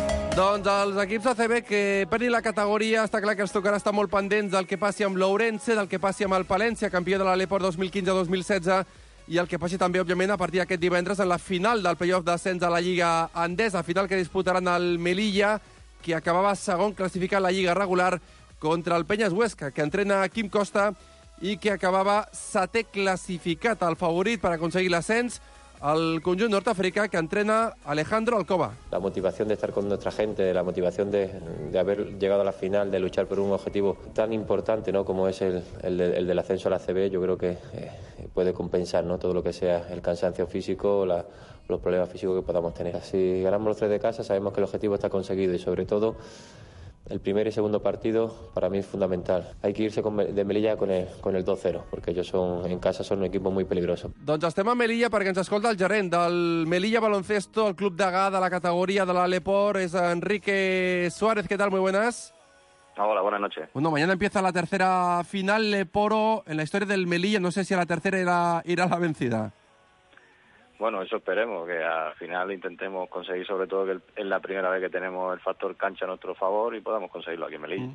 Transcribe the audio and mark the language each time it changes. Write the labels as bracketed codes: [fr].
[ca] Doncs els equips d'ACB que perdin la categoria, està clar que els tocarà estar molt pendents del que passi amb l'Ourense, del que passi amb el Palència, campió de la Leport 2015-2016, i el que passi també, òbviament, a partir d'aquest divendres en la final del play-off d'ascens a la Lliga Endesa, final que disputaran el Melilla, que acabava segon classificat a la Lliga regular contra el Peñas Huesca, que entrena Quim Costa i que acabava setè classificat, el favorit per aconseguir l'ascens, el conjunt nord-africà que entrena Alejandro Alcoba. [es] La motivación de estar con nuestra gente, la motivación de haber llegado a la final, de luchar por un objetivo tan importante, ¿no?, como es el del ascenso a la ACB, yo creo que puede compensar, ¿no?, todo lo que sea el cansancio físico, los problemas físicos que podamos tener. Si ganamos los tres de casa, sabemos que el objetivo está conseguido y sobre todo el primer y segundo partido para mí es fundamental. Hay que irse de Melilla con el 2-0, porque ellos en casa son un equipo muy peligroso. [ca] Doncs estem a Melilla perquè ens escolta el gerent del Melilla Baloncesto, el club d'agà de la categoria de la Leport, és Enrique Suárez. [es] ¿Qué tal? Muy buenas. Hola, buenas noches. Bueno, mañana empieza la tercera final Leporo en la historia del Melilla. No sé si a la tercera irá la vencida. Bueno, eso esperemos, que al final intentemos conseguir, sobre todo que es la primera vez que tenemos el factor cancha a nuestro favor y podamos conseguirlo aquí en Melilla.